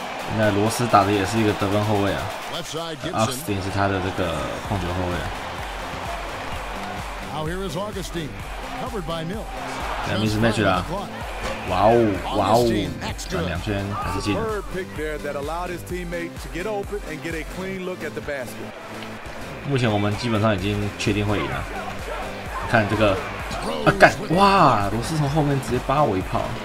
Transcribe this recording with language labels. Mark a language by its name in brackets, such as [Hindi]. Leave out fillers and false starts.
[Chinese] 现在罗斯打的也是一个得分后卫啊。 Augustine 是他的这个控球后卫啊。 [English] Now here is Augustine, covered by Mills. [Chinese] 两名是 match 啦。哇哦，哇哦，转两圈还是进。 [English] Third pick there that allowed his teammate to get open and get a clean look at the basket. [Chinese] 目前我们基本上已经确定会赢了。看这个，啊干！哇，罗斯从后面直接扒我一炮。